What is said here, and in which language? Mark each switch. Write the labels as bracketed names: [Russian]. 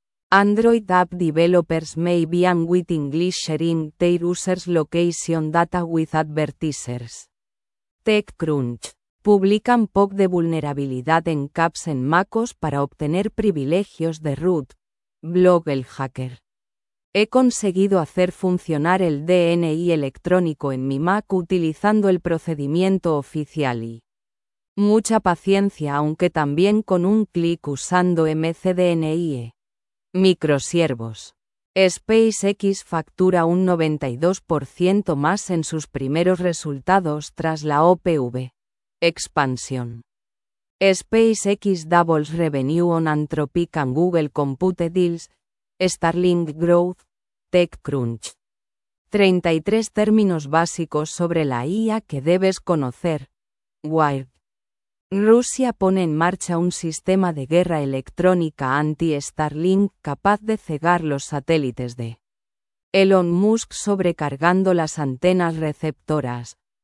[English] Android App Developers may be unwittingly sharing their users' location data with advertisers. TechCrunch. [Spanish] Publican POC de vulnerabilidad en CAPS en MacOS para obtener privilegios de root. Blog El Hacker. He conseguido hacer funcionar el DNI electrónico en mi Mac utilizando el procedimiento oficial y mucha paciencia, aunque también con un clic usando mcDNIe. Microsiervos. SpaceX factura un 92% más en sus primeros resultados tras la OPV. Expansión. [English] SpaceX doubles revenue on Anthropic and Google Compute deals. Starlink growth. TechCrunch. [Spanish] 33 términos básicos sobre la IA que debes conocer. Wired. Rusia pone en marcha un sistema de guerra electrónica anti-Starlink capaz de cegar los satélites de Elon Musk sobrecargando las antenas receptoras.